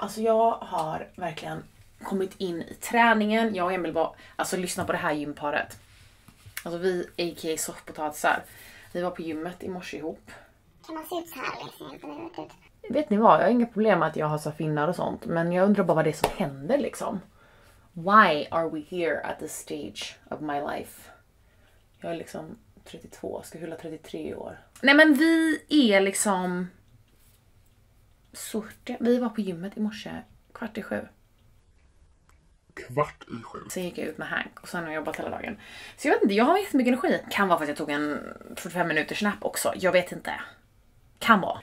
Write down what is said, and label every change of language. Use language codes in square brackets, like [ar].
[sv] Alltså jag har verkligen kommit in i träningen. Jag och Emil var, alltså lyssna på det här gymparet. Alltså vi, aka soffpotatisar, vi var på gymmet i morse ihop. Kan man se ut så här liksom? Vet ni vad, jag har inga problem med att jag har så finnar och sånt. Men jag undrar bara vad det är som händer liksom. [en] Why are we here at this stage of my life? [sv] Jag är liksom... 32, ska fylla 33 år. Nej men vi är liksom sortiga. Vi var på gymmet i morse 6:15. Kvart i sju. Sen gick jag ut med Hank och sen har jag jobbat hela dagen. Så jag vet inte, jag har jättemycket energi. Kan vara för att jag tog en 45 minuters nap också. Jag vet inte. Kan vara.